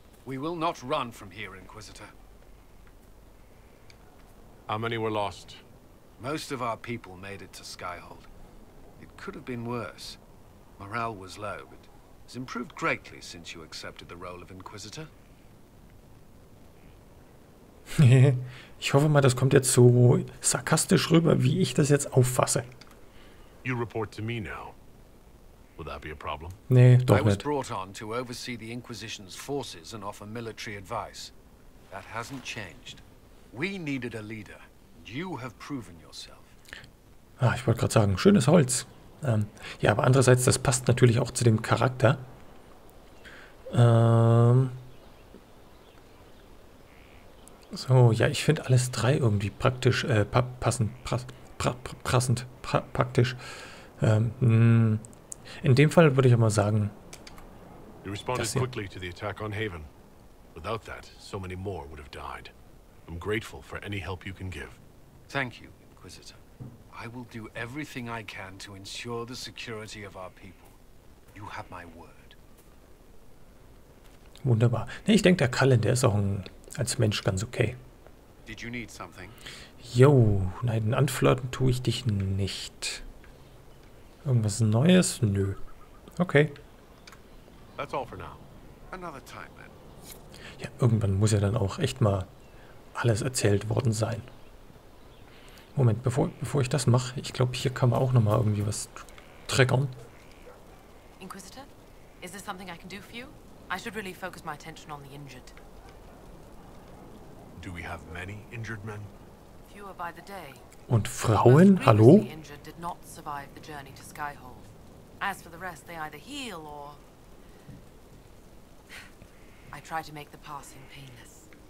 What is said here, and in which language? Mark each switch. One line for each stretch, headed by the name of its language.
English: We will not run from here, Inquisitor. How many were lost? Most of our people made it to Skyhold. It could have been worse. Morale was low, but it's improved greatly since you accepted the role of Inquisitor.
German: Ich hoffe mal, das kommt jetzt so sarkastisch rüber, wie ich das jetzt auffasse.
English: You report to me now. Will that be a problem?
German: Nee, doch nicht.
English: I was brought on to oversee the Inquisition's forces and offer military advice. That hasn't changed. We needed a leader. You have proven yourself.
German: Ah, ich wollte gerade sagen, schönes Holz. Ja, aber andererseits, das passt natürlich auch zu dem Charakter. So, ja, ich finde alles drei irgendwie praktisch, praktisch. In dem Fall würde ich aber sagen,
English: you responded quickly to the attack on Haven. Without that, so many more would have died. I'm grateful for any help you can give. Thank you, Inquisitor. I will do everything I can to ensure the security of our people. You have my word.
German: Wunderbar. Nee, ich denke, der Cullen, der ist auch als Mensch ganz okay.
English: Did you need something?
German: Yo, nein, anflirten tue ich dich nicht. Irgendwas Neues? Nö. Okay.
English: That's all for now. Another time, then.
German: Ja, irgendwann muss ja dann auch echt mal alles erzählt worden sein. Moment, bevor ich das mache, ich glaube, hier kann man auch noch mal irgendwie was triggern.
English: Inquisitor, is there something I can do for you? I should really focus my attention on the injured. Do we have many injured men? Fewer by the day.
German: Und Frauen? Hallo?
English: The injured did not survive the journey to Skyhold. As for the rest, they either heal or I try to make the passing painless.